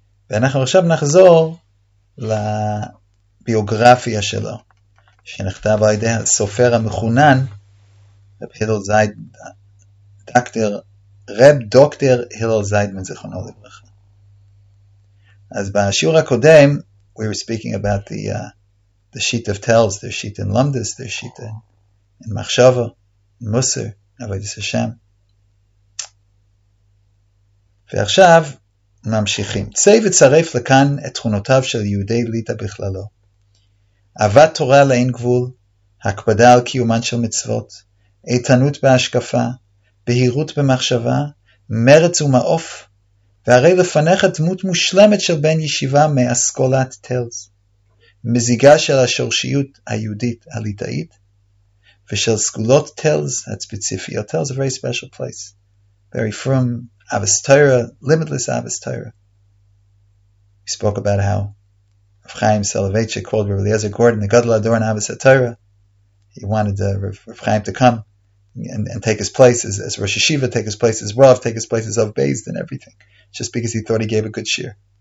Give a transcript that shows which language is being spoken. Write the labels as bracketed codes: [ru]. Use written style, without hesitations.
[he] ואנחנו עכשיו נחזור לביוגרפיה שלו, שנכתב על ידי הסופר המכונן, רב הלל זייד, דוקטר הלל זיידמן, זכרונו לברכה. אז בשיעור הקודם, [en] we were speaking about the sheet of tells, the sheet in lumdus, the sheet in machshava, in musar, avodas Hashem. [he] ועכשיו ממשיכים. צא וצרף לכאן את תכונותיו של יהודי ליטא בכללו. אהבת תורה לאין גבול, הקפדה על קיומן של מצוות, איתנות בהשקפה, בהירות במחשבה, מרץ ומעוף, והרי לפניך דמות מושלמת של בן ישיבה מאסכולת טלס, מזיגה של השורשיות היהודית הליטאית, ושל סגולות טלס, הספציפיות. [en] טלס a very special place, very firm, Avos Torah, limitless Avos Torah. We spoke about how Rav Chaim Soloveitchik called Rav Eliezer Gordon the Gadol HaDor in Avos HaTorah. He wanted Rav Chaim to come and take his place as Rosh Yeshiva, take his place as Rav, take his place as Av Beis Din and everything, just because he thought he gave a good shir.